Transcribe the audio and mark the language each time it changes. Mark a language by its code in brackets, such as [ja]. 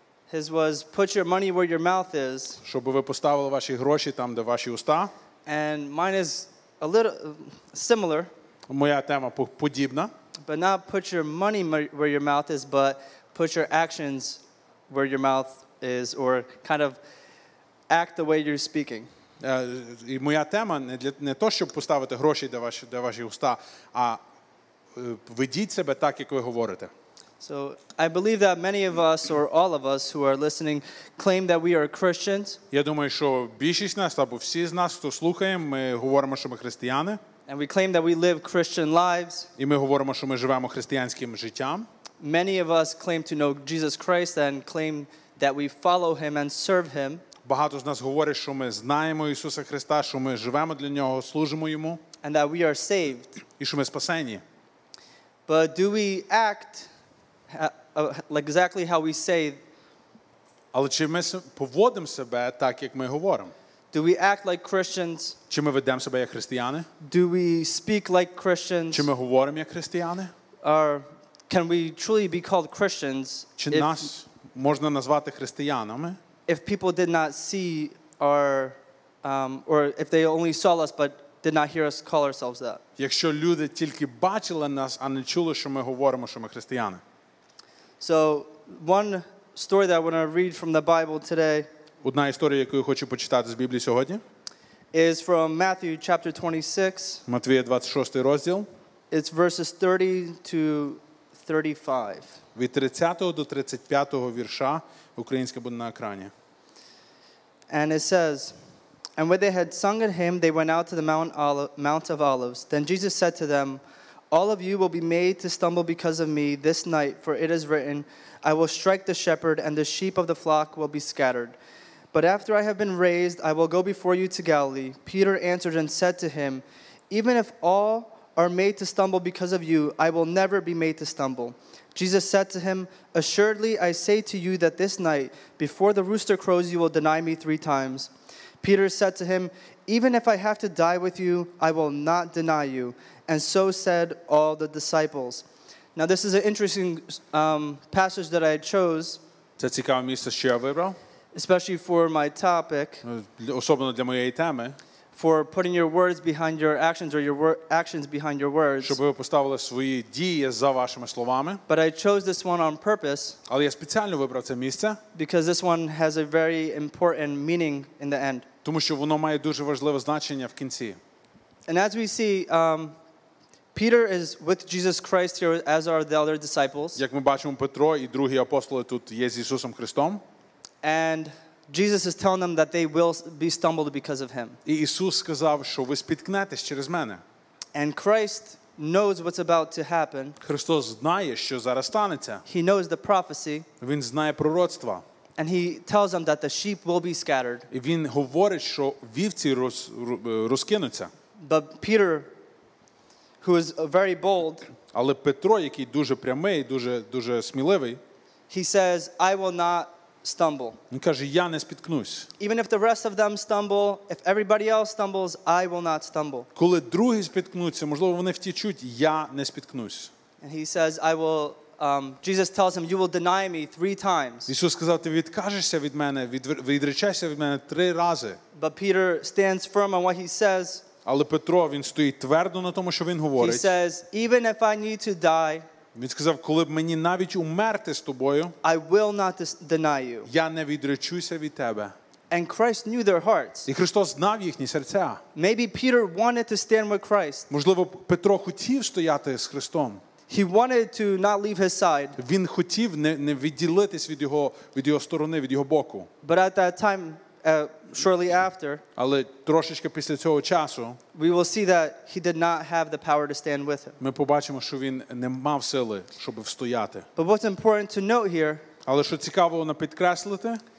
[en] His was, put your money where your mouth is. And mine is a little similar. But not put your money where your mouth is, but put your actions where your mouth is, or kind of act the way you're speaking. [uk] І моя тема не то, щоб поставити гроші до ваші уста, а ведіть себе так, як ви говорите. [en] So I believe that many of us, or all of us who are listening, claim that we are Christians. [uk] Я думаю, що більшість нас або всі з нас, хто слухаємо, ми говоримо, що ми християни. [en] And we claim that we live Christian lives. [uk] І ми говоримо, що ми живемо християнським життям. [en] Many of us claim to know Jesus Christ and claim that we follow him and serve him. [uk] Багато з нас говорить, що ми знаємо Ісуса Христа, що ми живемо для нього, служимо йому. [en] And that we are saved. [uk] І що ми спасені. [en] But do we act exactly how we say? [uk] Але чи ми поводимо себе так, як ми говоримо? [en] Do we act like Christians? [uk] Чи ми ведемо себе як християни? [en] Do we speak like Christians? [uk] Чи ми говоримо як християни? [en] Or can we truly be called Christians? [uk] Чи нас можна назвати християнами? [en] If people did not see our, or if they only saw us but did not hear us call ourselves that. [uk] Якщо люди тільки бачили нас, а не чули, що ми говоримо, що ми християни. [en] So one story that I want to read from the Bible today. [uk] Одна історія, яку я хочу почитати з Біблії сьогодні. [en] Is from Matthew chapter 26. [uk] Матвія 26 розділ. [en] It's verses 30 to 35. [uk] Від 30 до 35 вірша. Українське буде на екрані. [en] And it says, and when they had sung a hymn, they went out to the Mount of Olives. Then Jesus said to them, all of you will be made to stumble because of me this night, for it is written, I will strike the shepherd, and the sheep of the flock will be scattered. But after I have been raised, I will go before you to Galilee. Peter answered and said to him, even if all are made to stumble because of you, I will never be made to stumble. Jesus said to him, assuredly, I say to you that this night, before the rooster crows, you will deny me three times. Peter said to him, even if I have to die with you, I will not deny you. And so said all the disciples. Now, this is an interesting passage that I chose. [uk] Це цікаве місце, що я вибрав. [en] Especially for my topic. [uk] Особливо для моєї теми. [en] For putting your words behind your actions or your actions behind your words. [uk] Щоб ви поставили свої дії за вашими словами. [en] But I chose this one on purpose. [uk] Але я спеціально вибрав це місце. [en] Because this one has a very important meaning in the end. [uk] Тому що воно має дуже важливе значення в кінці. [en] And as we see, Peter is with Jesus Christ here, as are the other disciples. [uk] Як ми бачимо, Петро і другі апостоли тут є з Ісусом Христом. [en] And Jesus is telling them that they will be stumbled because of him. [uk] І Ісус сказав, що ви спіткнетесь через мене. [en] And Christ knows what's about to happen. [uk] Христос знає, що зараз станеться. [en] He knows the prophecy. [uk] Він знає пророцтва. [en] And he tells them that the sheep will be scattered. [uk] І він говорить, що вівці розкинуться. [en] But Peter, who is very bold, [uk] але Петро, який дуже прямий, дуже сміливий, [en] he says, I will not stumble. [uk] Він каже, я не спіткнусь. [en] Even if the rest of them stumble, if everybody else stumbles, I will not stumble. [uk] Коли другі спіткнуться, можливо, вони втечуть, я не спіткнусь. [en] And he says, I will, Jesus tells him, you will deny me three times. [uk] Ісус сказав, ти відкажешся від мене, відречешся від мене три рази. [en] But Peter stands firm on what he says. [uk] Але Петро, він стоїть твердо на тому, що він говорить. [en] He says, even if I need to die, [uk] він сказав, коли б мені навіть умерти з тобою, [en] I will not deny you. [uk] Я не відречуся від тебе. [en] And Christ knew their hearts. [uk] І Христос знав їхні серця. [en] Maybe Peter wanted to stand with Christ. [uk] Можливо, Петро хотів стояти з Христом. [en] He wanted to not leave his side. [uk] Він хотів не відділитись від його сторони, від його боку. [en] But at that time, shortly after, [uk] але трошечки після цього часу, [en] we will see that he did not have the power to stand with him. [uk] Ми побачимо, що він не мав сили, щоб встояти. [en] But what's important to note here, [uk] але що цікаво на підкреслити,